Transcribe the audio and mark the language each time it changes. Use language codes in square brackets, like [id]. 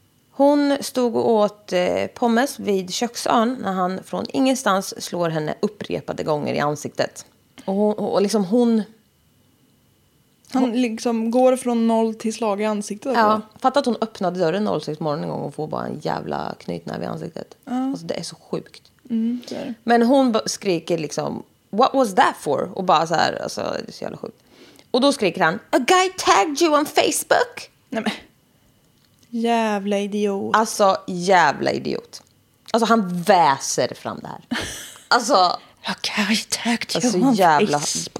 [sv] Hon stod och åt pommes vid köksön när han från ingenstans slår henne upprepade gånger i ansiktet. Och hon liksom går från noll till slag i ansiktet. Ja, fattar att hon öppnade dörren 06 morgon en gång och får bara en jävla knytnäve i ansiktet. Mm. Alltså det är så sjukt. Mm, men hon skriker liksom, [en] what was that for? [sv] Och bara så här, alltså det är så jävla sjukt. Och då skriker han, [en] a guy tagged you on Facebook. [sv] Nej men, jävla idiot. Alltså jävla idiot. Alltså han väser fram det här. Alltså [en] a guy tagged you on [sv] jävla [en] Facebook.